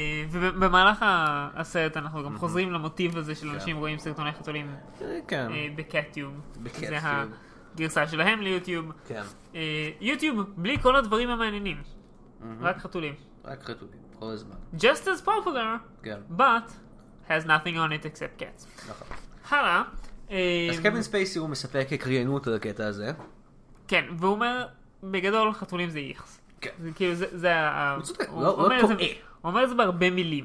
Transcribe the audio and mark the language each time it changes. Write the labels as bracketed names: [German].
[Hebrew] ובמהלך הסרט אנחנו גם חוזרים למוטיב הזה של אנשים רואים סרטוני חתולים בקטיוב. בקטיוב. גרסה שלהם ליוטיוב. כן. יוטיוב, בלי כל הדברים המעניינים. רק חתולים. רק חתולים, כל הזמן. [English] Just as popular, but has nothing on it except cats. [Hebrew] נכון. הלאה. אז קווין ספייסי הוא מספק הקריינות על הקטע הזה. כן, והוא אומר, בגדול חתולים זה איכס. כן. כאילו זה... הוא צודק, הוא לא טועה. הוא אומר את זה בהרבה מילים.